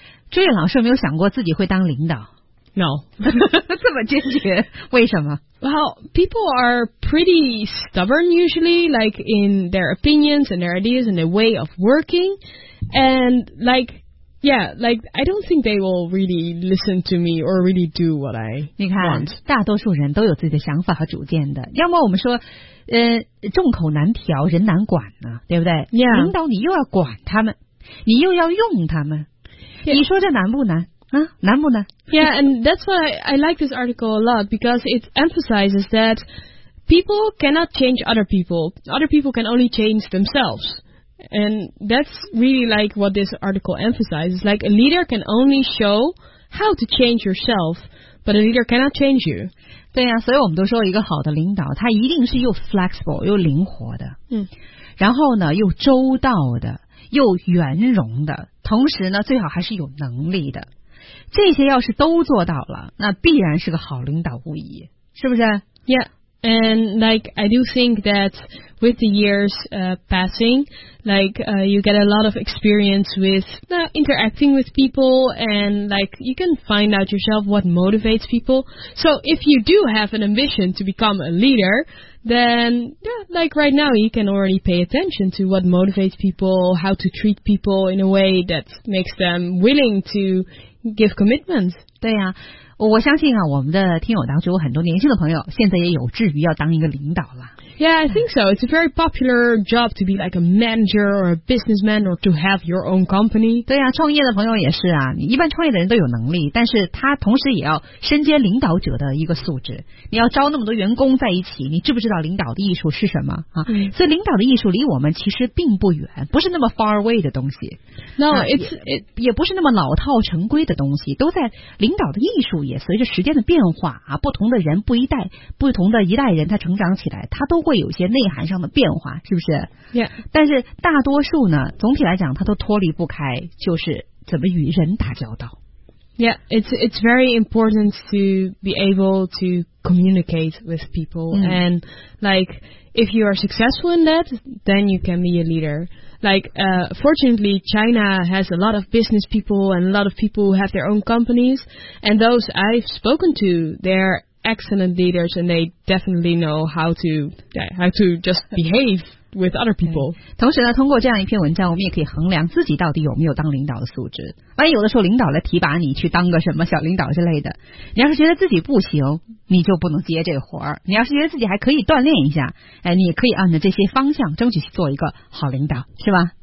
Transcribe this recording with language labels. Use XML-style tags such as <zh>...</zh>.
<zh>朱韵老师没有想过自己会当领导。</zh> <en>No.</en> <zh>这么坚决，为什么？</zh> <en>Well, people are pretty stubborn usually, like in their opinions and their ideas and their way of working. And I don't think they will really listen to me or really do what I want.</en> <zh>你看，大多数人都有自己的想法和主见的。要么我们说，众口难调，人难管呢，对不对？</zh> <en>Yeah.</en> <zh>领导你又要管他们，你又要用他们，</zh> <en>yeah.</en> <zh>你说这难不难？啊，难不难？</zh> <en>Yeah, and that's why I like this article a lot because it emphasizes that people cannot change other people. Other people can only change themselves. And that's really like what this article emphasizes. Like a leader can only show how to change yourself, but a leader cannot change you.</en> <zh>对啊，所以我们都说一个好的领导，他一定是又 flexible 又灵活的。嗯。然后呢，又周到的，又圆融的，同时呢，最好还是有能力的。这些要是都做到了，那必然是个好领导无疑，是不是</zh> <en>？Yeah. And like I do think that with the years passing, like you get a lot of experience with interacting with people, and like you can find out yourself what motivates people. So if you do have an ambition to become a leader, then right now you can already pay attention to what motivates people, how to treat people in a way that makes them willing to give commitment.</en> <zh>对呀。我相信啊，我们的听友当中有很多年轻的朋友，现在也有志于要当一个领导了。</zh> <en>Yeah, I think so. It's a very popular job to be like a manager or a businessman or to have your own company.</en> <zh>对啊，创业的朋友也是啊。你一般创业的人都有能力，但是他同时也要身兼领导者的一个素质。你要招那么多员工在一起，你知不知道领导的艺术是什么啊？所以领导的艺术离我们其实并不远，不是那么</zh> <en>far away</en> <zh>的东西。</zh> <en>No,</en> <zh>也不是那么老套成规的东西，都在领导的艺术。也随着时间的变化啊，不同的人不同的一代人，他成长起来，他都会有些内涵上的变化，是不是？</zh> <en>Yeah.</en> <zh>但是大多数呢，总体来讲，他都脱离不开，就是怎么与人打交道。</zh> <en>Yeah, it's very important to be able to communicate with people. Mm. And like, if you are successful in that, then you can be a leader. Like, fortunately, China has a lot of business people and a lot of people who have their own companies. And those I've spoken to, they're excellent leaders and they definitely know how to just behave with other people.</en> <zh>同时呢，通过这样一篇文章，我们也可以衡量自己到底有没有当领导的素质。万一有的时候领导来提拔你去当个什么小领导之类的，你要是觉得自己不行，你就不能接这个活儿。你要是觉得自己还可以锻炼一下，哎，你也可以按照这些方向争取去做一个好领导，是吧？</zh>